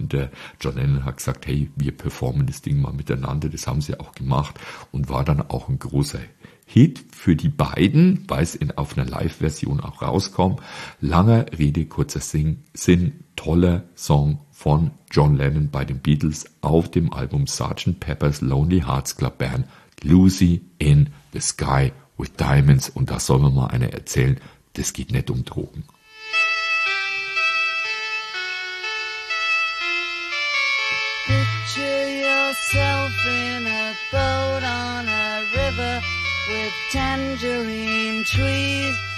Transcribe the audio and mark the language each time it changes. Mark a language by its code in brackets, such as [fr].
[de] Und der John Lennon hat gesagt, hey, wir performen das Ding mal miteinander. Das haben sie auch gemacht und war dann auch ein großer Hit für die beiden, weil es auf einer Live-Version auch rauskommt. Langer Rede, kurzer Sinn, toller Song von John Lennon bei den Beatles auf dem Album Sgt. Pepper's Lonely Hearts Club Band, Lucy in the Sky with Diamonds. Und da soll mir mal einer erzählen, das geht nicht um Drogen. [en] Picture yourself in a boat on a river with tangerine trees.